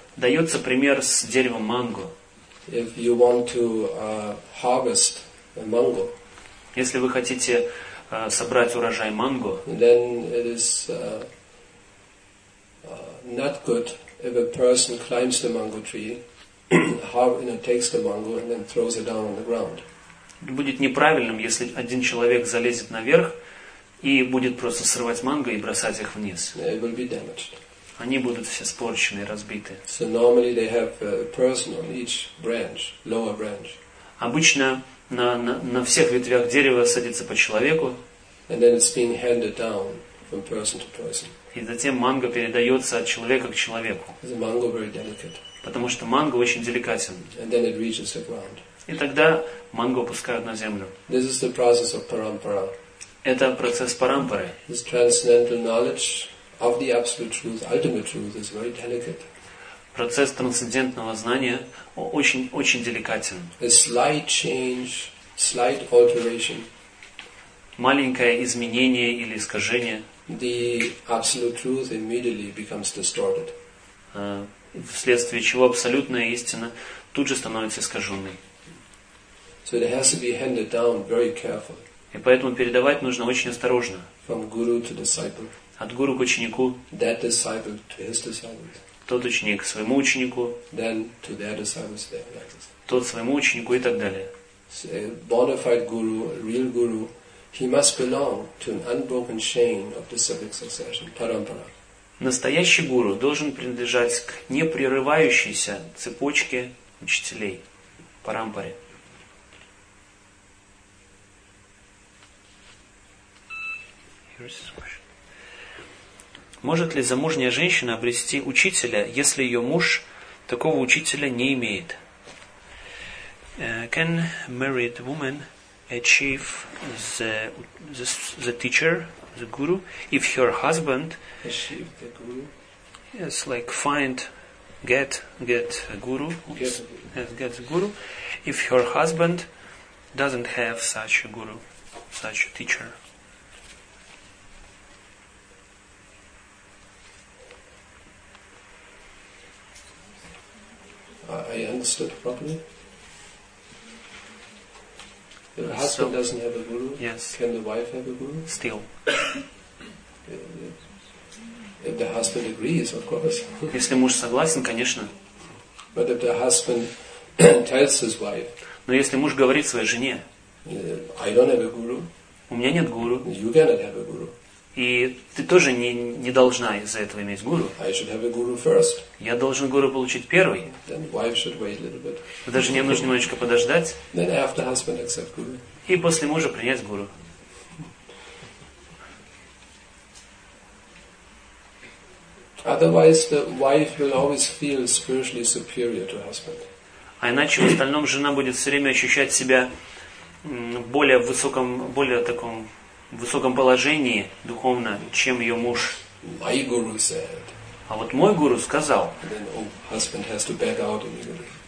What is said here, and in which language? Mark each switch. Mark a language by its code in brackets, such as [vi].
[ru] Дается пример с деревом манго. [en] If you want to harvest mango. [ru] Если вы хотите собрать урожай манго, [en] then it is not good if a person climbs the mango tree. takes the mango and then throws it down on the ground. [ru] Будет неправильным, если один человек залезет наверх и будет просто срывать манго и бросать их вниз. [en] They will be damaged. [ru] Они будут все испорчены и разбиты. [en] So normally they have a person on each branch, lower branch. [ru] Обычно на всех ветвях дерева садится по человеку. [en] And then it's being handed down from person to person. [ru] И затем манго передается от человека к человеку. [en] The mango very delicate. [ru] Потому что манго очень деликатен. [en] And then it reaches the ground. [ru] И тогда манго опускают на землю. [en] This is the process of parampara. [ru] Это процесс парампары. [en] This transcendental knowledge of the absolute truth, ultimate truth, is very delicate. [ru] Процесс трансцендентного знания очень очень деликатен. [en] A slight change, slight alteration. [ru] Маленькое изменение или искажение. [en] The absolute truth immediately becomes distorted. [ru] Вследствие чего абсолютная истина тут же становится искаженной. [en] So it has to be handed down very carefully. [ru] И поэтому передавать нужно очень осторожно. [en] From guru to disciple. [ru] От гуру к ученику. [en] That disciple to his disciples. [ru] Тот ученик к своему ученику. [en] Then to their disciples. [ru] Тот своему ученику и так далее. [en] So a bona fide guru, a real guru, he must belong to an unbroken chain of disciplic succession, parampara. [ru] Настоящий гуру должен принадлежать к непрерывающейся цепочке учителей, парампаре. Может ли замужняя женщина обрести учителя, если ее муж такого учителя не имеет? [en] Can married woman achieve the teacher, the guru, if her husband achieve the guru? Yes, like find, get a guru. Get the guru. If her husband doesn't have such a guru, such a teacher. I understood properly. The husband doesn't have a guru. Yes. Can the wife have a guru? Still. If the husband agrees, of course. [ru] Если муж согласен, конечно. [en] But if the husband tells his wife. [ru] Но если муж говорит своей жене. [en] I don't have a guru. [ru] У меня нет гуру. [en] You cannot have a guru. [ru] И ты тоже не должна из-за этого иметь гуру. [en] I should have a guru first. [ru] Я должен гуру получить первый. [en] Then wife should wait a little bit. [ru] Даже жене нужно немножечко подождать. [en] Then after husband accept guru. [ru] И после мужа принять гуру. [en] Otherwise the wife will always feel spiritually superior to husband. [ru] А иначе в остальном жена будет все время ощущать себя более высоком, более таком в высоком положении духовно, чем ее муж. [en] My guru said. [ru] А вот мой гуру сказал. [en] And then, oh, husband has to back out immediately.